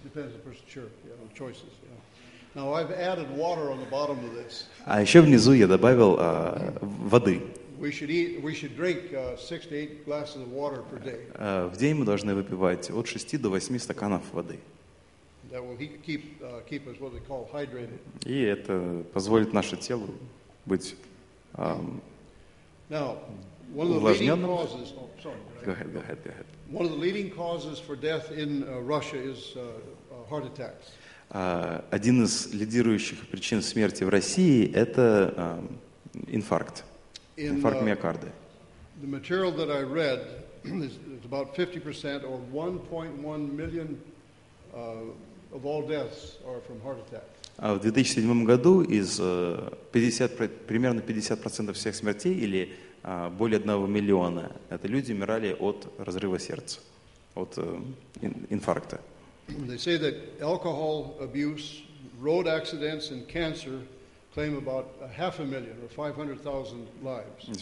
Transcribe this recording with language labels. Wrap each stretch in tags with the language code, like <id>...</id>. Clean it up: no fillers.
<en>Depends on the person, sure, yeah, on choices, yeah. Now I've added water on the bottom of this.</en> <ru>А еще внизу я добавил воды.</ru> <en>We should drink 6 to 8 glasses of water per day.</en> <ru>В день мы должны выпивать от 6 до 8 стаканов воды.</ru> <en>That will keep us what they call hydrated.</en> <ru>И это позволит наше телу быть</ru> <en>Now, one of the leading causes. Go ahead. One of the leading causes for death in Russia is heart attacks.</en> <ru>Один из лидирующих причин смерти в России – это инфаркт, инфаркт миокарда.</ru> <en>The material that I read is about 50% or 1.1 million of all deaths are from heart attacks.</en> <ru>А в 2007 году из 50% всех смертей или более 1 миллиона – это люди умирали от разрыва сердца, от инфаркта.</ru> <en>They say that alcohol abuse, road accidents, and cancer claim about 500,000 or 500,000 lives.</en>